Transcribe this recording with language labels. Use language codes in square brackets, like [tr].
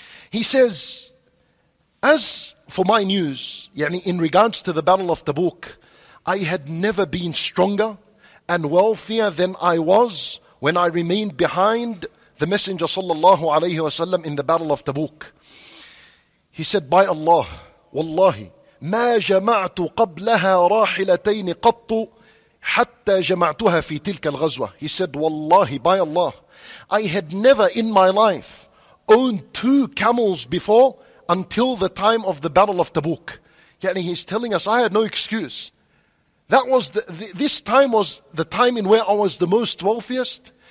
[en] He says, as for my news, يعني in regards to the Battle of Tabuk, I had never been stronger and wealthier than I was when I remained behind the Messenger sallallahu alayhi wasallam in the Battle of Tabuk. He said, by Allah, [ar] wallahi, ما جمعت قبلها راحلتين قط حتى جمعتها في تلك الغزوة. [en] He said, wallahi, by Allah, I had never in my life owned 2 camels before until the time of the Battle of Tabuk. Yani he's telling us, I had no excuse. That was this time was the time in where I was the most wealthiest